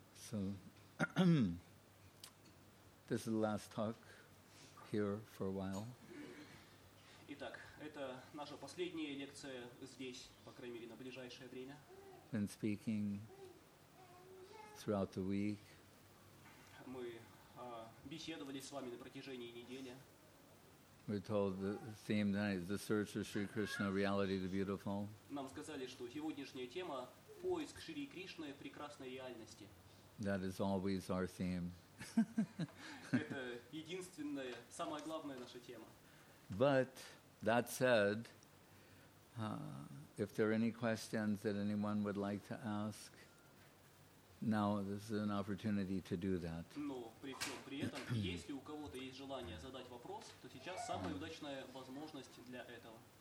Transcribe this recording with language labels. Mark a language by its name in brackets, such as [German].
[English] So, this is the last talk here for a while. [Russian] Итак, это наша последняя лекция здесь, по крайней мере, на ближайшее время. [English] Been speaking throughout the week. [Russian] Мы беседовали с вами на протяжении недели. [English] We told the theme tonight, the search of Sri Krishna, reality, the beautiful. [Russian] Нам сказали, что сегодняшняя тема – поиск Шри Кришны, прекрасной реальности. [English] That is always our theme. [Russian] Это единственная, самая главная наша тема. [English] But that said, if there are any questions that anyone would like to ask, now this is an opportunity to do that. [Russian] Но при всем при этом, если у кого-то есть желание задать вопрос, то сейчас самая удачная возможность для этого.